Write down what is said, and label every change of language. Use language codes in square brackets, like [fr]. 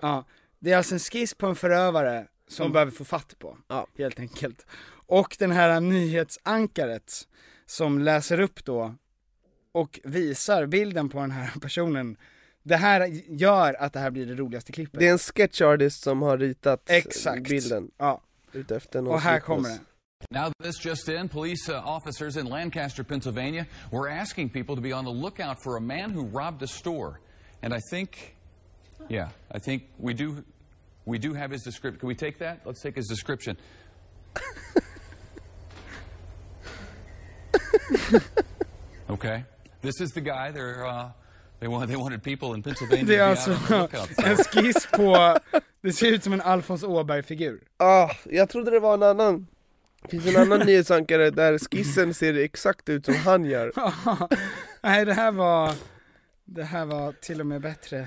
[sv] Ja, det är alltså en skiss på en förövare som behöver få fatt på, helt enkelt. Och den här nyhetsankaret som läser upp då och visar bilden på den här personen. Det här gör att det här blir det roligaste klippet. Det är en sketch artist som har ritat bilden. Utefter någon och här kommer det. [en] Now this just in, police officers in Lancaster, Pennsylvania were asking people to be on the lookout for a man who robbed a store. And I think, yeah, I think we do have his description. Can we take that? Let's take his description. Okay. This is the guy. They wanted people in Pennsylvania. [sv] Det är alltså en skiss på, det ser ut som en Alfons Åberg-figur. Jag trodde det var en annan. Det finns en annan nyhetsankare där skissen ser exakt ut som han gör. Nej, det här var till och med bättre.